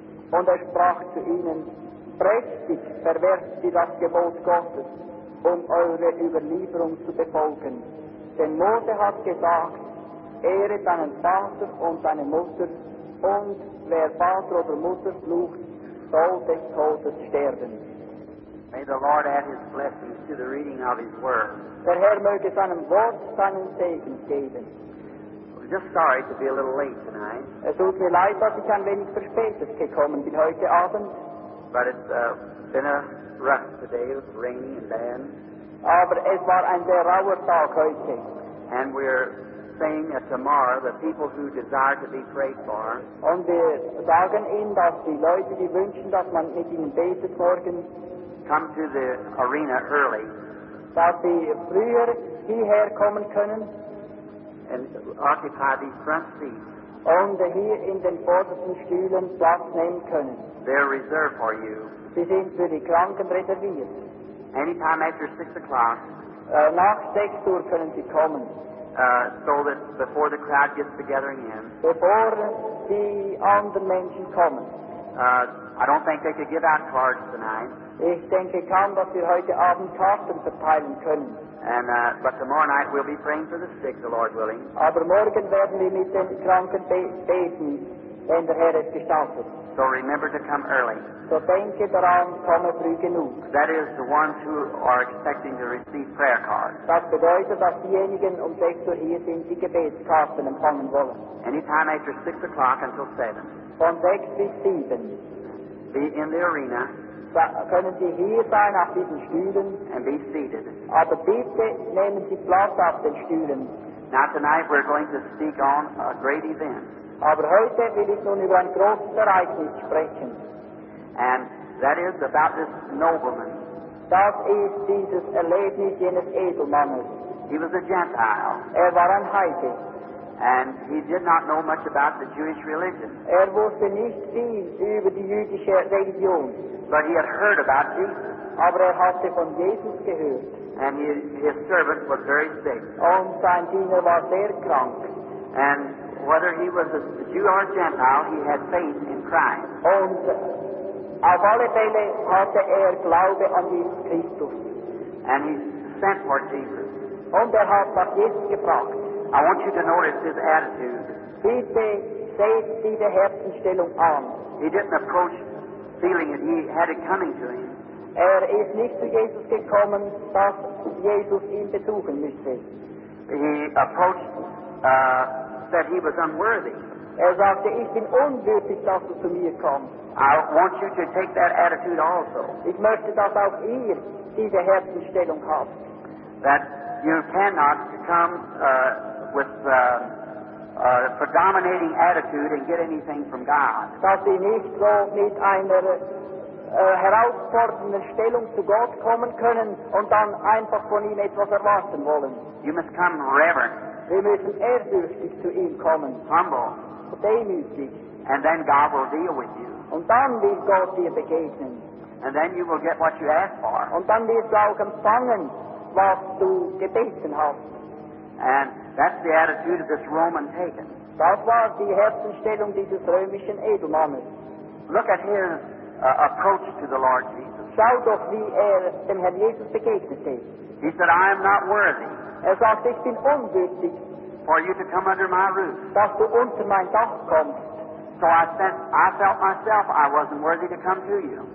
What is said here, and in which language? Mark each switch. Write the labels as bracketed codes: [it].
[de] Und er sprach zu ihnen, prächtig verwerft ihr das Gebot Gottes, um eure Überlieferung zu befolgen. Denn Mose hat gesagt, ehre deinen Vater und deine Mutter, und wer Vater oder Mutter flucht, soll des Todes sterben. [en] May the Lord add his blessings to the reading of his word. [de] Der Herr möge seinem Wort seinen Segen geben. [en] I'm just sorry to be a little late tonight. [de] Es tut mir leid, dass ich ein wenig verspätet gekommen bin heute Abend. [en] But it's been a rough today, it's rainy and bad. [de] Aber es war ein sehr rauer Tag heute. [en] And we're saying that tomorrow the people who desire to be prayed for. [de] Und wir sagen ihnen, dass die Leute, die wünschen, dass man mit ihnen betet morgen, [en] come to the arena early. [de] Dass sie früher hierher kommen können. [en] And occupy these front seats. [de] Und hier in den vordersten Stühlen Platz nehmen können. [en] They're reserved for you. [de] Sie sind für die Kranken reserviert. [en] Anytime after 6 o'clock. [de] Nach 6 Uhr können sie kommen. [en] So that before the crowd gets together again. Before the other [de] Menschen kommen. [en] I don't think they could give out cards tonight. [de] Ich denke kaum, dass wir heute Abend Karten verteilen können. [en] But tomorrow night we'll be praying for the sick, the Lord willing. [de] Aber morgen werden wir mit den Kranken beten, wenn der Herr es gestattet. [en] So remember to come early. [de] So denke daran, komme früh genug. [en] That is the ones who are expecting to receive prayer cards. [de] Das bedeutet, dass diejenigen um 6 Uhr hier sind, die Gebetskarten empfangen wollen. [en] Anytime after 6 o'clock until 7. [de] Von 6 bis 7. [en] Be in the arena. [de] Können Sie hier sein auf diesen Stühlen? [en] And be seated. [de] Aber bitte nehmen Sie Platz auf den Stühlen. [en] Now tonight we're going to speak on a great event. [de] Aber heute will ich nun über ein großes Ereignis sprechen. [en] And that is about this nobleman. [de] Das ist dieses Erlebnis jenes Edelmannes. [en] He was a Gentile. [de] Er war ein Heide. [en] And he did not know much about the Jewish religion. [de] Er wusste nicht viel über die jüdische Religion. [en] But he had heard about Jesus. [de] Aber er hatte von Jesus gehört. [en] And his servant was very sick. [de] Und sein Diener war sehr krank. [en] And whether he was a Jew or a Gentile, he had faith in Christ. [de] Und auf alle Fälle hatte er Glaube an Jesus Christus. [en] And he sent for Jesus. [de] Und er hat nach Jesus gefragt. [en] I want you to notice his attitude. [de] Bitte seht diese Herzenstellung an. [en] He didn't approach feeling that he had it coming to him. [de] Er ist nicht zu Jesus gekommen, dass Jesus ihn besuchen müsste. [en] He approached that he was unworthy. [de] Er sagte, ich bin unwürdig, dass du zu mir kommst. [en] I want you to take that attitude also. [de] Ich möchte, dass auch ihr diese Herzenstellung habt. [en] That you cannot come with a predominating attitude and get anything from God. [de] Dass Sie nicht so mit einer herausfordernden Stellung zu Gott kommen können und dann einfach von ihm etwas erwarten wollen. [en] You must come reverent. [de] Wir müssen ehrfürchtig zu ihm kommen. [en] Humble. [de] Demütig. [en] And then God will deal with you. [de] Und dann wird Gott dir begegnen. [en] And then you will get what you ask for. [de] Und dann wirst du auch empfangen, was du gebeten hast. [en] And that's the attitude of this Roman pagan. [de] Das war die Herzenstellung dieses römischen Edelmannes. [en] Look at his approach to the Lord Jesus. [de] Schau doch, wie dem Herrn Jesus begegnet ist. [en] He said, I am not worthy. [de] Er sagt, ich bin unwürdig. [en] For you to come under my roof. [de] Dass du unter mein Dach kommst. [en] So I felt myself I wasn't worthy to come to you.